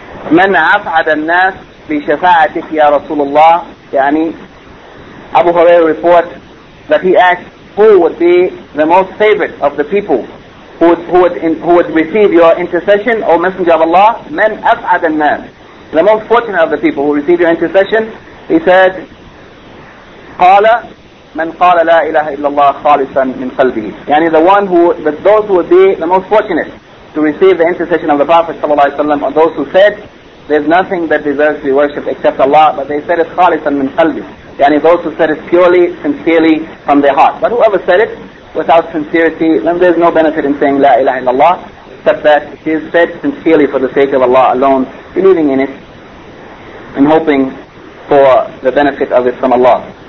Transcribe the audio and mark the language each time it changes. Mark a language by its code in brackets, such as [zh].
[ar] مَنْ أَفْعَدَ النَّاسِ بِشَفَاعَتِكِ يَا رَسُولُ اللَّهِ. [en] يعني Abu Hurairah reports that he asked who would be the most favored of the people who would receive your intercession, O Messenger of Allah. [ar] Man أسعد الناس, [en] the most fortunate of the people who receive your intercession. He said, [ar] قال من قال لا إله إلا الله خالصا من قلبه. [en] Yani the one who, but those who would be the most fortunate to receive the intercession of the Prophet صلى الله عليه وسلم, are those who said, there's nothing that deserves to be worshipped except Allah, but they said it [ar] خالصا من قلبه. [en] Yani those who said it purely, sincerely from their heart. But whoever said it without sincerity, then there's no benefit in saying La ilaha illallah, except that it is said sincerely for the sake of Allah alone, believing in it and hoping for the benefit of it from Allah.